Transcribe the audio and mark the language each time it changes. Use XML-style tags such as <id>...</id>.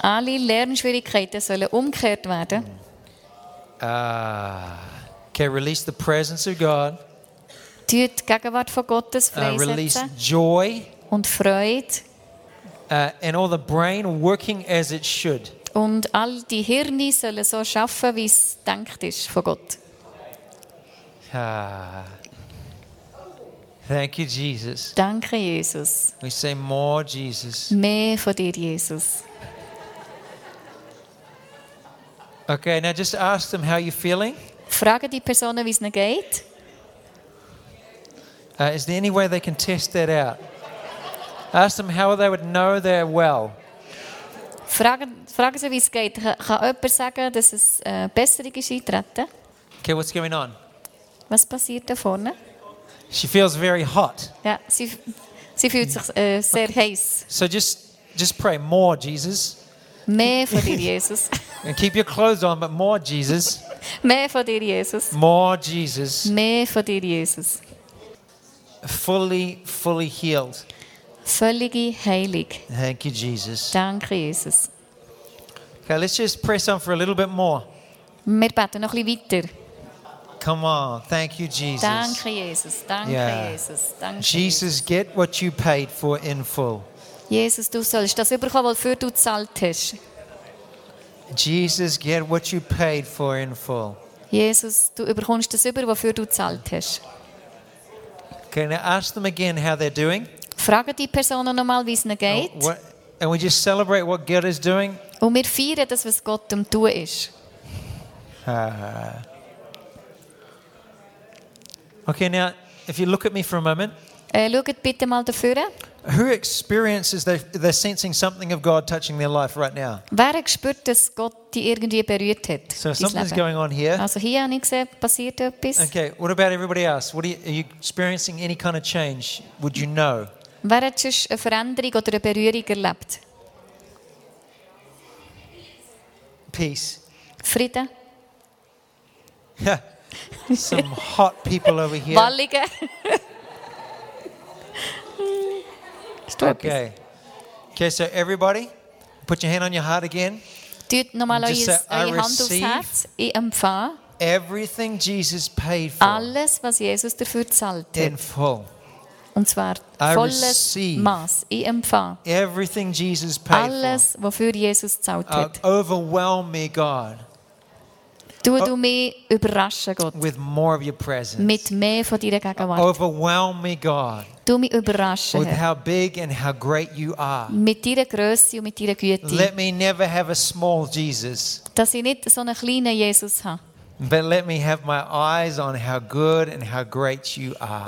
<de>Alle Lernschwierigkeiten sollen umgekehrt werden.</de> <en>Okay, release the presence of God.</en> <de>Die Gegenwart von Gottes freisetzen.</de> <en>Release joy.</en> <de>Und Freude.</de> <en>And all the brain working as it should.</en> <de>Und all die Hirne sollen so arbeiten, wie es gedacht ist von Gott.</de> <en>Thank you, Jesus.</en> <de>Danke, Jesus.</de> <en>We say more, Jesus.</en> <de>Mehr von dir, Jesus.</de> <en>Okay, now just ask them how you're feeling.</en> <de>Frage die Personen, wie es ihnen geht.</de> <en>Is there any way they can test that out? Ask them how they would know they're well.</en> <de>Fragen Sie, wie es geht. Kann jemand sagen, dass es Besserung ist eintreten?</de> <en>Okay, what's going on?</en> <de>Was passiert da vorne?</de> <en>She feels very hot.</en> <de>Ja, sie fühlt sich sehr heiß.</de> <en>So just pray more, Jesus.</en> <de>Mehr von dir, Jesus.</de> <en>And keep your clothes on, but more, Jesus.</en> <de>Mehr von dir, Jesus.</de> <en>More, Jesus.</en> <de>Mehr von dir, Jesus.</de> <en>Fully healed.</en> <de>Völlige Heilung.</de> <en>Thank you, Jesus.</en> <de>Danke, Jesus.</de> <en>Okay, let's just press on for a little bit more.</en> <de>Wir beten noch ein bisschen weiter.</de> <en>Come on, thank you, Jesus.</en> <de>Danke, Jesus. Danke, yeah. Jesus. Danke, Jesus.</de> <en>Jesus, get what you paid for in full.</en> <de>Jesus, du sollst das überkommen, was für du zahlt hast.</de> <en>Jesus, get what you paid for in full.</en> <de>Jesus, du überkommst das über, was für du zahlt hast.</de> <en>Can I ask them again how they're doing?</en> <de>Frage die Person noch mal, wie es ihnen geht.</de> <en>And we just celebrate what God is doing.</en> <de>Und wir feiern das, was Gott am Tun ist.</de> <en>Okay, now if you look at me for a moment.</en> <de>Schaut bitte mal da vorne.</de> <en>Who experiences they're sensing something of God touching their life right now?</en> <de>Wer spürt, dass Gott die irgendwie berührt hat?</de> <en>So something's going on here.</en> <de>Also hier habe ich gesehen, passiert etwas.</de> <en>Okay, what about everybody else? What are you experiencing any kind of change? Would you know?</en> <de>Wer hat sonst eine Veränderung oder eine Berührung erlebt?</de> <en>Peace.</en> <de>Frieden.</de> <en>Some hot people over here.</en> <de>Wallige.</de> <en>Okay, so everybody, put your hand on your heart again. Just say, I receive everything Jesus paid for.</en> <de>Alles, was Jesus dafür zahlt.</de> <en>In full.</en> <de>Und zwar volles Maß. Ich empfange.</de> <en>Everything Jesus paid for.</en> <de>Alles, wofür Jesus zahlt hat.</de> <en>Overwhelm me, God.</en> <de>Du mich überraschen, Gott.</de> <en>With more of your presence.</en> <de>Mit mehr von deiner Gegenwart.</de> <en>Overwhelm me, God.</en> <de>Du mich überraschen,</de> <en>with how big and how great you are.</en> <de>Mit deiner Größe und mit deiner Güte.</de> <en>Let me never have a small Jesus.</en> <de>Dass ich nicht so einen kleinen Jesus habe.</de> <en>But let me have my eyes on how good and how great you are.</en>